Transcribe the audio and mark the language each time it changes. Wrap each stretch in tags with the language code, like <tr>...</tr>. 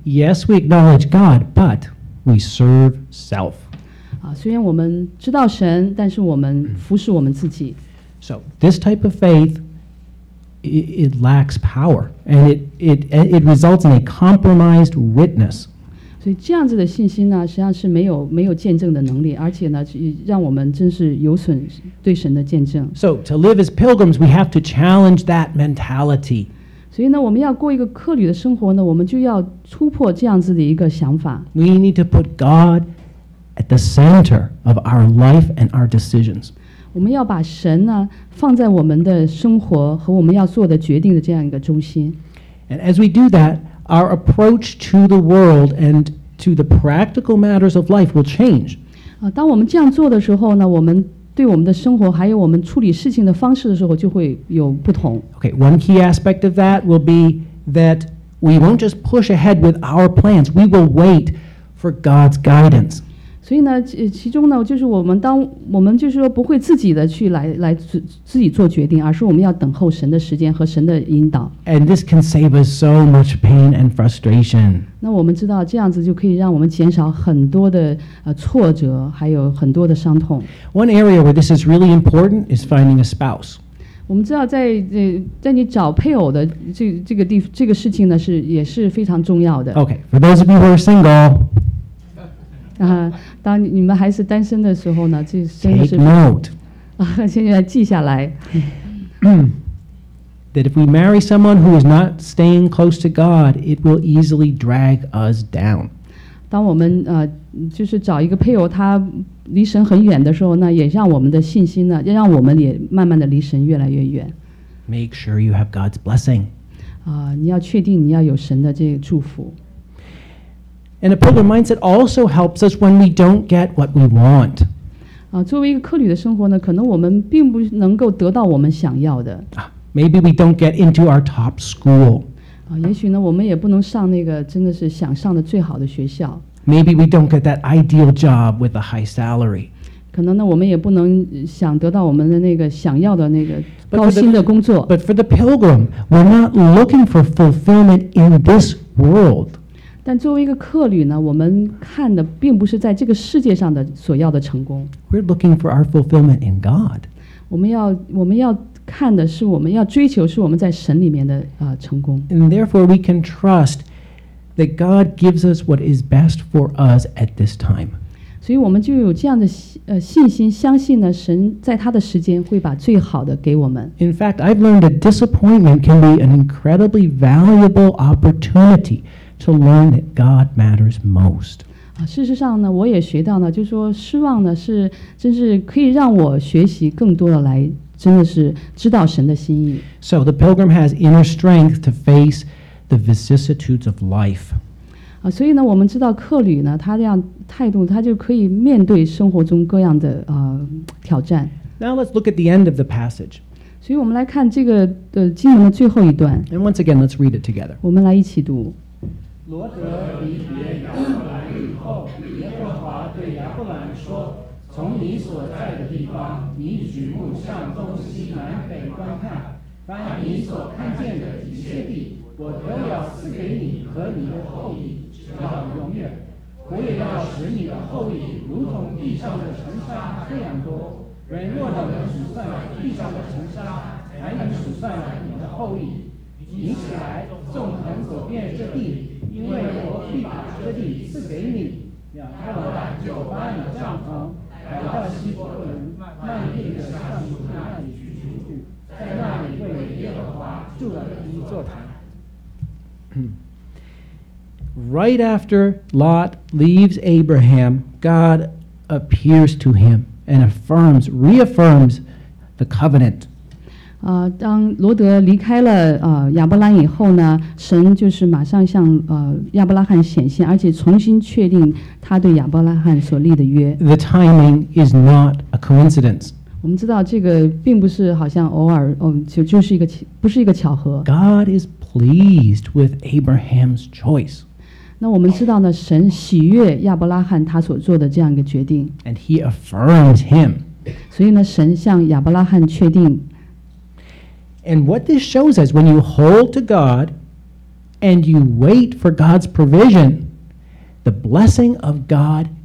<en>Yes, we acknowledge God, but we serve self.</en> <zh>虽然我们知道神，但是我们服侍我们自己。</zh> <en>So this type of faith, it lacks power, and it results in a compromised witness.</en> <zh>所以这样子的信心呢，实际上是没有见证的能力，而且呢，让我们真是有损对神的见证。</zh> <en>So to live as pilgrims, we have to challenge that mentality.</en> <zh>所以呢，我们要过一个客旅的生活呢，我们就要突破这样子的一个想法。</zh> <en>We need to put God at the center of our life and our decisions.</en> <zh>我们要把神呢放在我们的生活和我们要做的决定的这样一个中心。</zh> <en>And as we do that, our approach to the world and to the practical matters of life will change.</en> <zh>当我们这样做的时候呢，我们对我们的生活还有我们处理事情的方式的时候就会有不同。</zh> <en>Okay, one key aspect of that will be that we won't just push ahead with our plans, we will wait for God's guidance.</en> <zh>所以呢，其中呢，就是我们就是说不会自己的去来自己做决定，而是我们要等候神的时间和神的引导。</zh> <en>And this can save us so much pain and frustration.</en> <zh>那我们知道这样子就可以让我们减少很多的挫折，还有很多的伤痛。</zh> <en>One area where this is really important is finding a spouse.</en> <zh>我们知道在你找配偶的这个事情呢，是也是非常重要的。</zh> <en>Okay, for those of you who are single,</en> <zh>当你们还是单身的时候呢，这真的是。</zh> <en>Take note.</en> <zh>现在记下来。</zh> <en>That if we marry someone who is not staying close to God, it will easily drag us down.</en> <zh>当我们就是找一个配偶，他离神很远的时候，那也让我们的信心呢，也让我们也慢慢的离神越来越远。</zh> <en>Make sure you have God's blessing.</en> <zh>你要确定你要有神的这个祝福。</zh> <en>And a pilgrim mindset also helps us when we don't get what we want.</en> <zh>作为一个客旅的生活呢，可能我们并不能够得到我们想要的。</zh> <en>Maybe we don't get into our top school.</en> <zh>也许呢，我们也不能上那个真的是想上的最好的学校。</zh> <en>Maybe we don't get that ideal job with a high salary.</en> <zh>可能呢，我们也不能想得到我们的那个想要的那个高薪的工作。</zh> <en>But for the pilgrim, we're not looking for fulfillment in this world.</en> <zh>但作为一个客旅呢，我们看的并不是在这个世界上的所要的成功。</zh> <en>We're looking for our fulfillment in God.</en> <zh>我们要看的是，我们要追求是我们在神里面的成功。</zh> <en>And therefore we can trust that God gives us what is best for us at this time.</en> <zh>所以我们就有这样的信心，相信呢，神在他的时间会把最好的给我们。</zh> <en>In fact, I've learned that disappointment can be an incredibly valuable opportunity. To learn that God matters most.</en> <zh>事实上呢，我也学到呢，就是说失望呢是真是可以让我学习更多的来真的是知道神的心意。</zh> <en>So the pilgrim has inner strength to face the vicissitudes of life.</en> <zh>所以呢，我们知道客旅呢，他这样态度，他就可以面对生活中各样的挑战。</zh> <en>Now let's look at the end of the passage.</en> <zh>所以我们来看这个的经文的最后一段。</zh> <en>And once again, let's read it together.</en> <zh>我们来一起读。罗德离别亚伯兰以后，耶和华对亚伯兰说：“从你所在的地方，你举目向东西南北观看，凡你所看见的一切地，我都要赐给你和你的后裔，直到永远。我也要使你的后裔如同地上的尘沙这样多。人若能数算地上的尘沙，才能数算你的后裔。” 你起来，纵横走遍这地，因为我必把这地赐给你。亚伯兰就搬了帐篷，来到希伯伦曼地的上主那里居住，在那里为耶和华筑了一座坛。</zh> <en>Right after Lot leaves Abraham, God appears to him and affirms, reaffirms the covenant.</en> <zh>当罗德离开了亚伯兰以后呢，神就是马上向亚伯拉罕显现，而且重新确定他对亚伯拉罕所立的约。</zh> <en>The timing is not a coincidence.</en> <zh>我们知道这个并不是好像偶尔就是一个不是一个巧合。</zh> <en>God is pleased with Abraham's choice.</en> <zh>那我们知道呢，神喜悦亚伯拉罕他所做的这样一个决定。</zh> <en>And he affirms him.</en> <zh>所以呢，神向亚伯拉罕确定。</zh> <en>And what this shows us, when you hold to God and you wait for God's provision, the blessing of God</en>